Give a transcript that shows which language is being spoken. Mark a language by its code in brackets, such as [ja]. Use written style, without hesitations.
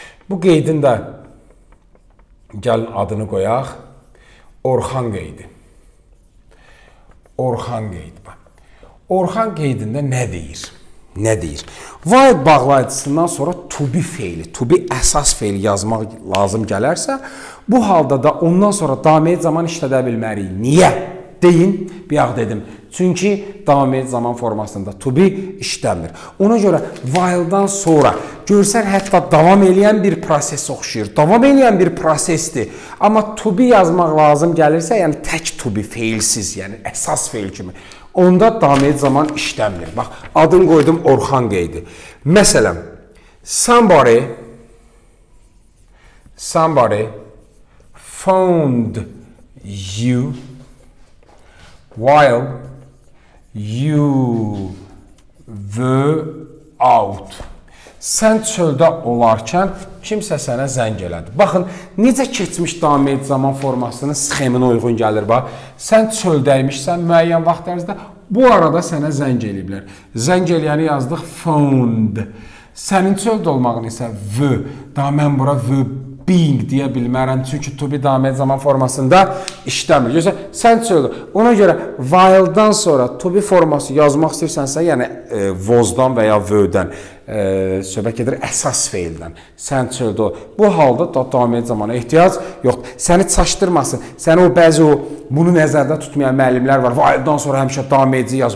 [az] Bu qeydin də gəlin adını qoyaq. Orxan qeydi. Orxan qeydi. Orxan qeydində nə deyir? Nə deyir? While bağlayıcısından sonra to be feili, to be əsas feili yazmaq lazım gələrsə, bu halda da ondan sonra davam edici zaman işlədə bilmərik. Niyə? Deyin, bayaq dedim. Çünki davam edici zaman formasında to be işləmir. Ona görə while-dan sonra görsən hətta davam eləyən bir proses oxşuyur. Davam eləyən bir prosesdir. Amma to be yazmaq lazım gəlirsə, yəni tək to be feilsiz, yəni əsas feil kimi. Onda davam edici zaman işləmir. Bax, adını qoydum Orxan qeydi. [en] Məsələn, somebody found you while you were out. [az] Sən çöldə olarkən kimsə sənə zəng elədi. Baxın, necə keçmiş davam edici zaman formasının sxeminə uyğun gəlir. Bax, sən çöldəymişsən müəyyən vaxt ərzində, bu arada sənə zəng eləyiblər. Zəng eləyəni yazdıq found. Sənin çöldə olmağın isə v. Daha mən bura v being deyə bilmərəm. Çünki to be davam edici zaman formasında işləmir. Görsən, sən çöldə. Ona görə while-dan sonra to be forması yazmaq istəyirsənsə, yəni was-dan və ya v-dən söhbət edir əsas feildən. Sən çöldə. Bu halda da davam edici zamana ehtiyac yoxdur. Səni çaşdırmasın. Səni o bəzi o bunu nəzərdə tutmayan müəllimlər var. Valdan sonra həmişə davam edici yaz.